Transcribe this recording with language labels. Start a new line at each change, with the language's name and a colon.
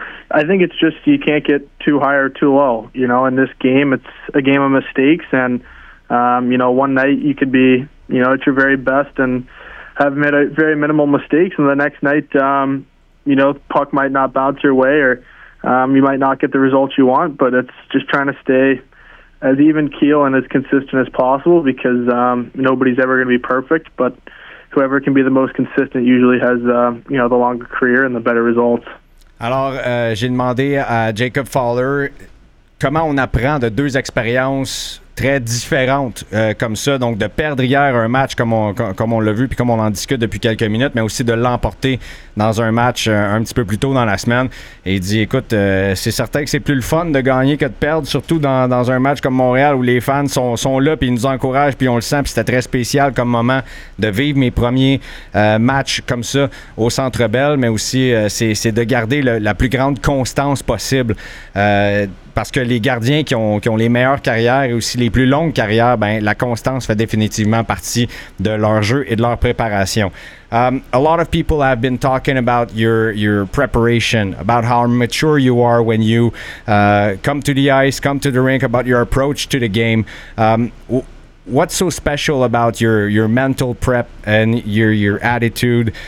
English: I think it's just you can't get too high or too low. You know, in this game, it's a game of mistakes, and, one night you could be, at your very best and have made a very minimal mistakes, and the next night, puck might not bounce your way, or you might not get the results you want, but it's just trying to stay as even keel and as consistent as possible, because nobody's ever going to be perfect, but whoever can be the most consistent usually has the longer career and the better results.
French: Alors, j'ai demandé à Jacob Fowler comment on apprend de deux expériences très différente comme ça, donc de perdre hier un match comme on l'a vu puis comme on en discute depuis quelques minutes, mais aussi de l'emporter dans un match un petit peu plus tôt dans la semaine. Et il dit, écoute, c'est certain que c'est plus le fun de gagner que de perdre, surtout dans un match comme Montréal où les fans sont là puis ils nous encouragent puis on le sent, puis c'était très spécial comme moment de vivre mes premiers matchs comme ça au Centre Bell, mais aussi c'est de garder la plus grande constance possible. Parce que les gardiens qui ont les meilleures carrières et aussi les plus longues carrières, ben la constance fait définitivement partie de leur jeu et de leur préparation.
English: A lot of people have been talking about your preparation, about how mature you are when you come to the ice, come to the rink, about your approach to the game. What's so special about your mental prep and your attitude?